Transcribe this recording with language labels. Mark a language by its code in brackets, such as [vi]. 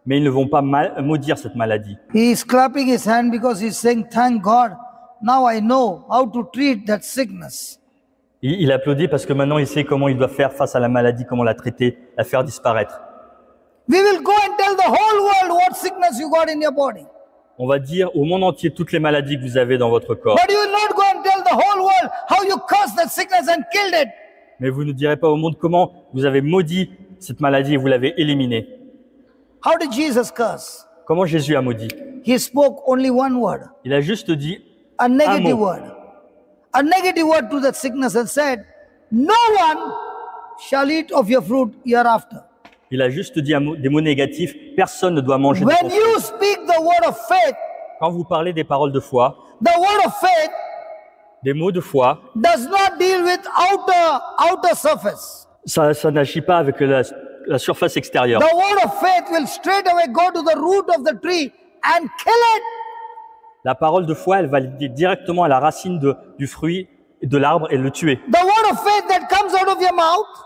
[fr] Mais ils ne vont pas maudire cette maladie. [en] He is clapping his hand because he's saying, "Thank God, now I know how to treat that sickness." [fr] Il applaudit parce que maintenant il sait comment il doit faire face à la maladie, comment la traiter, la faire disparaître. [en] We will go and tell the whole world what sickness you got in your body. [fr] On va dire au monde entier toutes les maladies que vous avez dans votre corps. [en] But you will not go and tell the whole world how you cursed that sickness and killed it. [fr] Mais vous ne direz pas au monde comment vous avez maudit cette maladie et vous l'avez éliminée. [en] How did Jesus curse? [fr] Comment Jésus a maudit? [en] He spoke only one word. [fr] Il a juste dit [en] a negative word. A negative word to that sickness and said, "No one shall eat of your fruit hereafter." [fr] Il a juste dit des mots négatifs. Personne ne doit manger. [en] When you speak the word of faith, [fr] quand vous parlez des paroles de foi, [en] the word of faith, [fr] des mots de foi, [en] does not deal with outer surface. [fr] Ça n'agit pas avec la surface extérieure. [en] The word of faith will straight away go to the root of the tree and kill it. [fr] La parole de foi, elle va directement à la racine du fruit de l'arbre et le tuer. [en] The word of faith that comes out of your mouth,